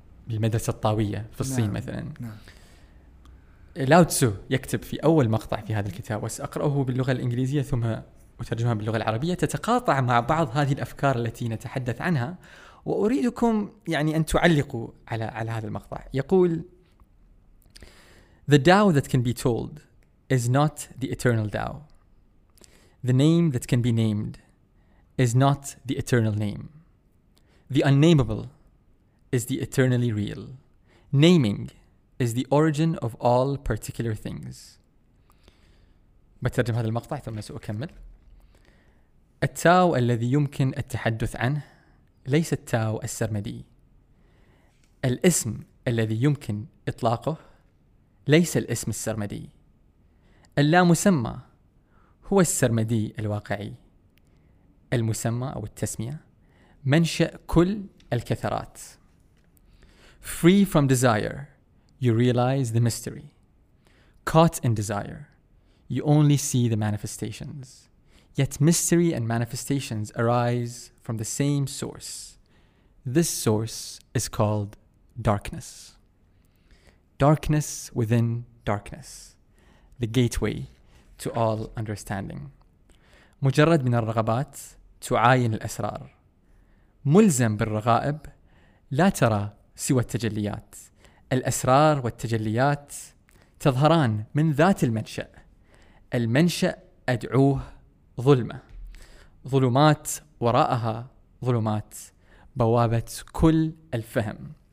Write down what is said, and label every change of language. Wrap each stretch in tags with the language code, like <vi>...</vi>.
<ar>المدرسة الطاوية في الصين، نعم، مثلا، نعم، لاو تسو يكتب في أول مقطع في هذا الكتاب، وسأقرأه باللغة الإنجليزية ثم وترجمها باللغة العربية، تتقاطع مع بعض هذه الأفكار التي نتحدث عنها، وأريدكم يعني أن تعلقوا على هذا المقطع.</ar> <en>يقول: The Tao that can be told is not the eternal Tao. The name that can be named is not the eternal name. The unnameable is the eternally real. Naming is the origin of all particular things.</en> <ar>بترجم هذا المقطع ثم سأكمل. التاو الذي يمكن التحدث عنه ليس التاو السرمدي. الاسم الذي يمكن إطلاقه ليس الاسم السرمدي. اللا مسمى هو السرمدي الواقعي. المسمى أو التسمية منشأ كل الكثرات.</ar> <en>Free from desire, you realize the mystery. Caught in desire, you only see the manifestations. Yet mystery and manifestations arise from the same source. This source is called darkness. Darkness within darkness, the gateway to all understanding.</en> <ar>مجرد من الرغبات تعاين الأسرار. ملزم بالرغائب لا ترى سوى التجليات. الأسرار والتجليات تظهران من ذات المنشأ. المنشأ أدعوه ظلمة. ظلمات وراءها ظلمات بوابة كل الفهم.</ar>